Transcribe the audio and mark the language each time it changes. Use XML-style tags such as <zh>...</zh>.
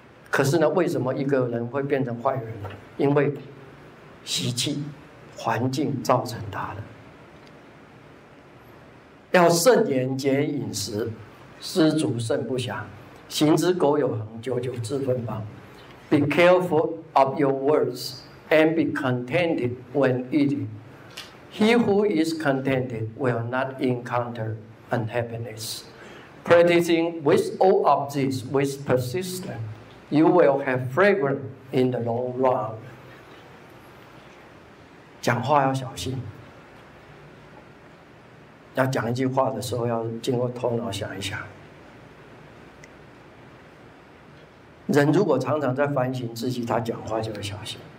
<zh>可是呢，为什么一个人会变成坏人呢？因为习气、环境造成他的。要慎言俭饮食，知足慎不暇，行之苟有恒，久久自芬芳。</zh> <en>Be careful of your words and be contented when eating. He who is contented will not encounter unhappiness. Practicing with all of this with persistence, you will have fragrance in the long run.</en> <zh>讲话要小心，要讲一句话的时候要经过头脑想一想。人如果常常在反省自己，他讲话就会小心。</zh>